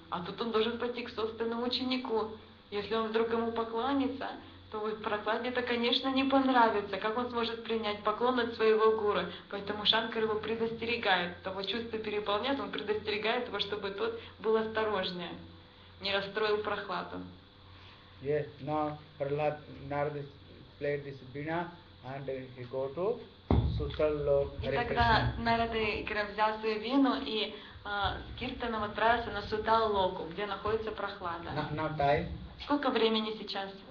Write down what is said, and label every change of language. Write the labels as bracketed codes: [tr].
[ru] А тут он должен пойти к собственному ученику. Если он вдруг ему поклонится, то вот Прохладе это, конечно, не понравится. Как он сможет принять поклон от своего гуру? Поэтому Шанкар его предостерегает. Того чувства переполняет, он предостерегает его, чтобы тот был осторожнее. Не расстроил Прохладу. [en] Yes, now Prahlad Narada played this bina, and he go to Sutal Lok [ru] Hare Krishna. И тогда Нарада взял свою вину и с киртаном отправился на Сутал Локу, где находится Прохлада. [en] Now time. [ru] Сколько времени сейчас?